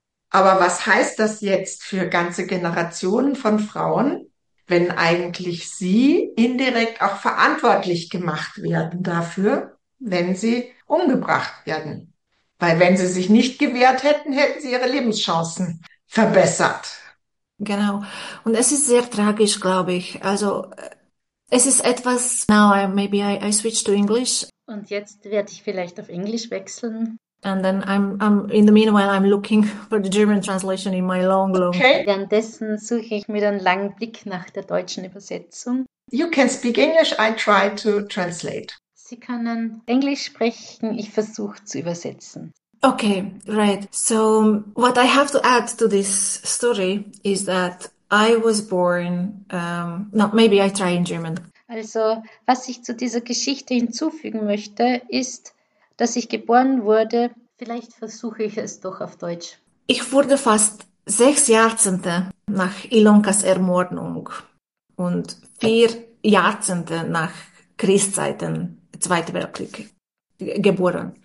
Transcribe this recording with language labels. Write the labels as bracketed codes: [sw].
[de] Aber was heißt das jetzt für ganze Generationen von Frauen, wenn eigentlich sie indirekt auch verantwortlich gemacht werden dafür, wenn sie umgebracht werden? Weil wenn sie sich nicht gewehrt hätten, hätten sie ihre Lebenschancen verbessert. Genau. Und es ist sehr tragisch, glaube ich. Also es ist etwas, [en] now maybe I switch to English. [de] Und jetzt werde ich vielleicht auf Englisch wechseln. [en] And then I'm in the meanwhile I'm looking for the German translation in my long long. Okay. [de] Währenddessen suche ich mir einen langen Blick nach der deutschen Übersetzung. [en] You can speak English, I try to translate. [de] Sie können Englisch sprechen, ich versuche zu übersetzen. [en] Okay, right. So what I have to add to this story is that I was born maybe I try in German. [de] Also, was ich zu dieser Geschichte hinzufügen möchte, ist, dass ich geboren wurde, vielleicht versuche ich es doch auf Deutsch. Ich wurde fast 6 Jahrzehnte nach Ilonkas Ermordung und 4 Jahrzehnte nach Kriegszeiten, Zweiter Weltkrieg, geboren.